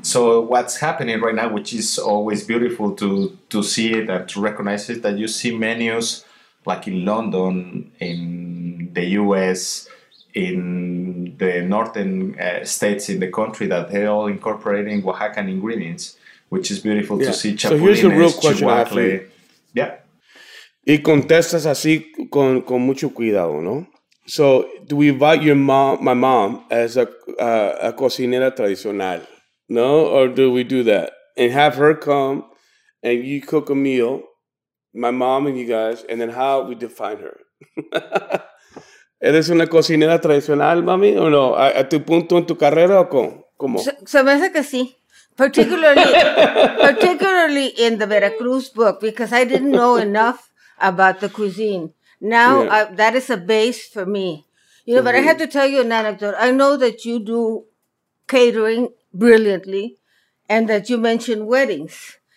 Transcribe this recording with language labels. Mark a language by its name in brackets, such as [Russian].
[English] So what's happening right now, which is always beautiful to see it and to recognize it, that you see menus like in London, in the US, in the northern states in the country, that they're all incorporating Oaxacan ingredients, which is beautiful to see. Chapulines, so here's a real question after you. Yeah. [Spanish] Y contestas así con mucho cuidado, ¿no? [English] So, do we invite your mom, my mom, as a cocinera tradicional, no? Or do we do that? And have her come and you cook a meal, my mom and you guys, and then how we define her? [Spanish] ¿Eres una cocinera tradicional, mami, o no? ¿A tu punto en tu carrera o cómo? Se me hace que sí. [English] Particularly in the Veracruz book, because I didn't know enough about the cuisine. Now, that is a base for me. You know, mm-hmm. But I have to tell you an anecdote. I know that you do catering brilliantly and that you mention weddings.